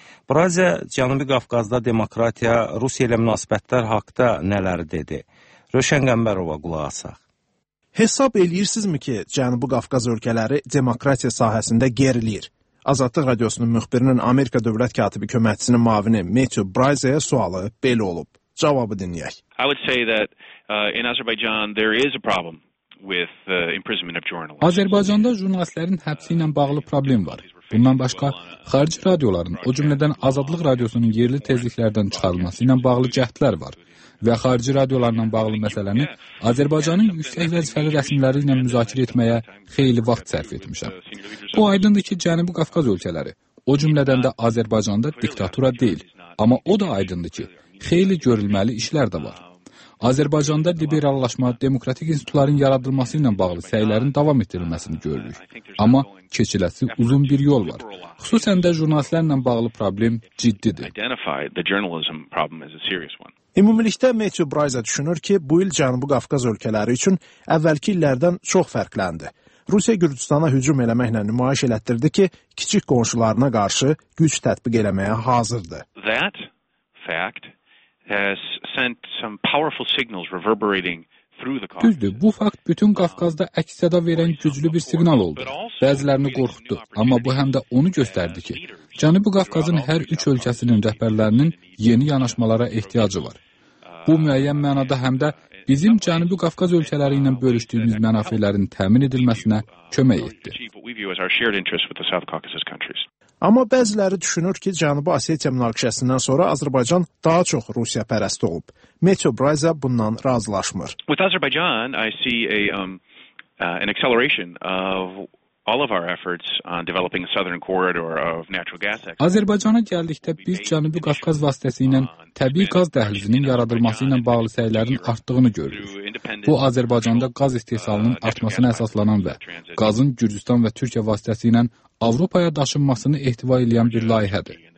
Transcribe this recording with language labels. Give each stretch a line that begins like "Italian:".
Azerbaijani: Braza Cənubi Qafqazda demokratiya, Rusiya ilə münasibətlər haqda nələr dedi? Röşən Qəmbərova qulaq asaq. Hesab eləyirsinizmi ki, Cənubi Qafqaz ölkələri demokratiya sahəsində gerilir? Azadlıq Radiosunun müxbirinin Amerika Dövlət Katibi köməkçisinin mavini Matthew Braza'ya sualı belə olub. Cavabı dinləyək.
English: I would say that in Azerbaijan there is a problem with the imprisonment of journalists.
Azerbaijani: Azərbaycanda jurnalistlərin həbsi ilə bağlı problem var. Bundan başqa, xarici radioların, o cümlədən Azadlıq Radiosunun yerli tezliklərdən çıxarılması ilə bağlı cəhdlər var və xarici radiolarla bağlı məsələni Azərbaycanın yüksək vəzifəli rəsmiləri ilə müzakirə etməyə xeyli vaxt sərf etmişəm. Bu aydındır ki, Cənubi Qafqaz ölkələri, o cümlədən də Azərbaycanda diktatura deyil, amma o da aydındır ki, xeyli görülməli işlər də var. Azərbaycanda liberallaşma, demokratik institutların yaradılması ilə bağlı səylərin davam etdirilməsini görürük. Amma keçiləsi uzun bir yol var. Xüsusən də jurnalistlərlə bağlı problem ciddidir. Ümumilikdə Matthew Braza düşünür ki, bu il Cənubi Qafqaz ölkələri üçün əvvəlki illərdən çox fərqləndi. Rusiya Gürcüstana hücum eləməklə nümayiş elətdirdi ki, kiçik qonşularına qarşı güc tətbiq eləməyə hazırdır.
English: That fact has sent some powerful signals reverberating through the Caucasus.
Azerbaijani: Düzdür, bu fakt bütün Qafqazda əks-səda verən güclü bir siqnal oldu. Bəzilərini qorxutdu, amma bu həm də onu göstərdi ki, Cənubi Qafqazın hər üç ölkəsinin rəhbərlərinin yeni yanaşmalara ehtiyacı var. Bu müəyyən mənada həm də bizim Cənubi Qafqaz ölkələri ilə bölüşdüyümüz mənafelərin təmin edilməsinə kömək etdi. Amma bəziləri düşünür ki, Cənubi Osetiya münaqişəsindən sonra Azərbaycan daha çox Rusiya pərəst olub. Matthew Braza bundan razılaşmır.
English: With Azerbaijan, I see an acceleration of all of our efforts on developing a southern corridor of natural gas access.
Azerbaijani: Azərbaycana gəldikdə biz Cənubi Qafqaz vasitəsilə təbii qaz dəhlizinin yaradılması ilə bağlı səylərin artdığını görürük. Bu Azərbaycanda qaz istehsalının artmasına əsaslanan və qazın Gürcüstan və Türkiyə vasitəsilə Avropaya daşınmasını ehtiva edən bir layihədir.